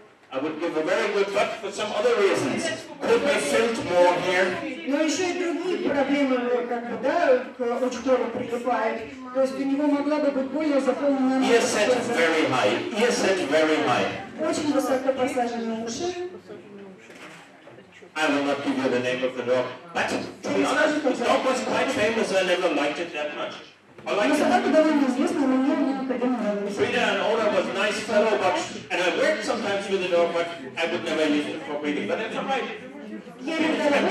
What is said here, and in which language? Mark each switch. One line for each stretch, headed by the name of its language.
English: I would give a very good, but for some other reasons. Could we filled more here?
Russian: Но еще и другие проблемы, как бы, да, к учтору прикрывают. То есть у него могла бы быть более заполненная...
English: Ear set very high. Ear set very high.
Russian: Очень высоко посажены уши.
English: I will not give you the name of the dog. But, to be honest, the dog was quite famous. I never liked it that much. Frida, an owner, was a nice fellow, and I worked sometimes with the dog, but I would never use it for breeding. But it's all right.